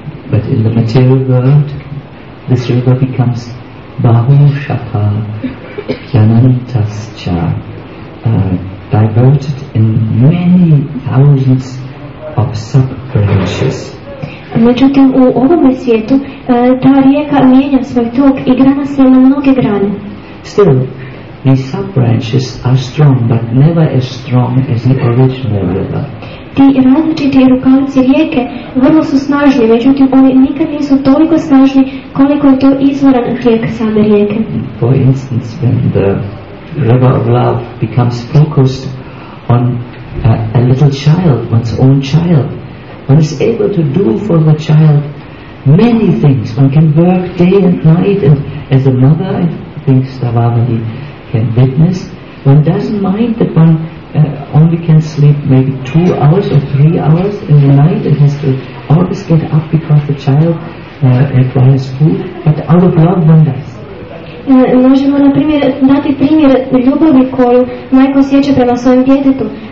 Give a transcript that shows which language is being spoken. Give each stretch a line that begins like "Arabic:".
English: But in the material world, this river becomes bahushapa, jananitascha, diverted in many thousands of sub-branches.
Croatian: Međutim, u ovome svijetu, ta rijeka mijenja svoj tok i grana se na mnoge grane.
English: Still, these sub-branches are strong, but never as strong as the original river.
Croatian: Ti različiti rukavci rijeke vrlo su snažni, međutim oni nikad nisu toliko snažni koliko je to izvoran tijek same rijeke.
English: For instance, when the river of love becomes focused on a little child, one's own child, one is able to do for the child many things. One can work day and night, and as a mother, I think Stavavali can witness, one doesn't mind that one only can sleep maybe 2 hours or 3 hours in the night and has to always get up because the child requires food, but out of love one does.
Croatian: Možemo, na primjer, dati primjer ljubavi koju majka osjeća prema svojem djetetu.